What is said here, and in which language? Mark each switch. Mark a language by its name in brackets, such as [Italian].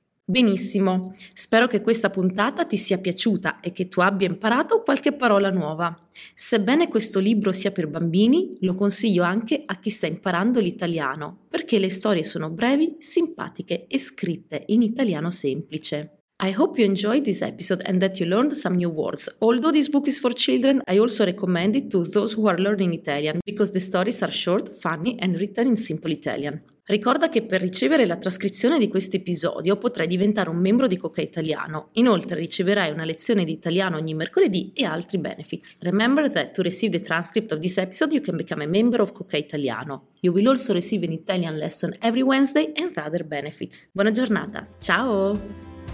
[Italian] Benissimo, spero che questa puntata ti sia piaciuta e che tu abbia imparato qualche parola nuova. Sebbene questo libro sia per bambini, lo consiglio anche a chi sta imparando l'italiano, perché le storie sono brevi, simpatiche e scritte in italiano semplice. [English] I hope you enjoyed this episode and that you learned some new words. Although this book is for children, I also recommend it to those who are learning Italian, because the stories are short, funny and written in simple Italian. [Italian] Ricorda che per ricevere la trascrizione di questo episodio potrai diventare un membro di Coca Italiano. Inoltre riceverai una lezione di italiano ogni mercoledì e altri benefits. [English] Remember that to receive the transcript of this episode you can become a member of Coca Italiano. You will also receive an Italian lesson every Wednesday and other benefits. [Italian] Buona giornata! Ciao!